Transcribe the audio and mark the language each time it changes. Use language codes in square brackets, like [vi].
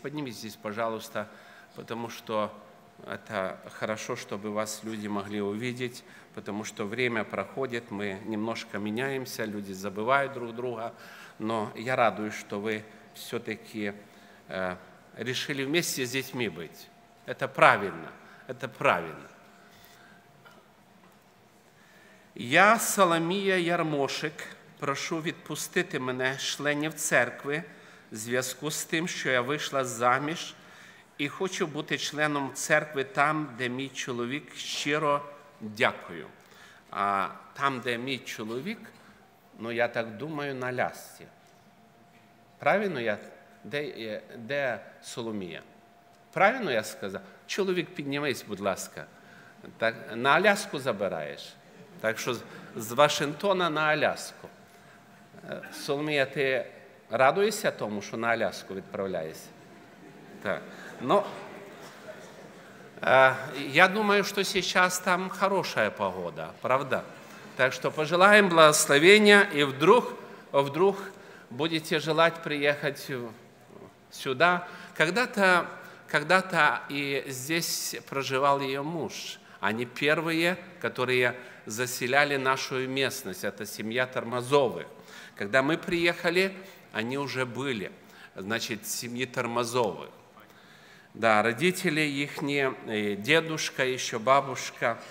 [ru] Поднимитесь здесь, пожалуйста, потому что это хорошо, чтобы вас люди могли увидеть, потому что время проходит, мы немножко меняемся, люди забывают друг друга, но я радуюсь, что вы все-таки решили вместе с детьми быть. Это правильно, это правильно. [uk] Я, Соломія Ярмошик, прошу відпустити мене членів церкви в зв'язку з тим, що я вийшла заміж і хочу бути членом церкви там, де мій чоловік, щиро дякую. А там, де мій чоловік, ну, я так думаю, на лясці. Правильно я? Де Соломія? Правильно я сказав? Чоловік, піднімись, будь ласка. Так, на Аляску забираєш. Так що з Вашингтона на Аляску. Соломія, ти радуєшся тому, що на Аляску відправляєшся? Так. Ну, я думаю, що зараз там хороша погода, правда? Так що пожелаємо благословення і вдруг [ru] будете желать приехать сюда. Когда-то и здесь проживал ее муж. Они первые, которые заселяли нашу местность. Это семья Тормозовых. Когда мы приехали, они уже были. Значит, семьи Тормозовых. Да, родители их, дедушка, еще бабушка.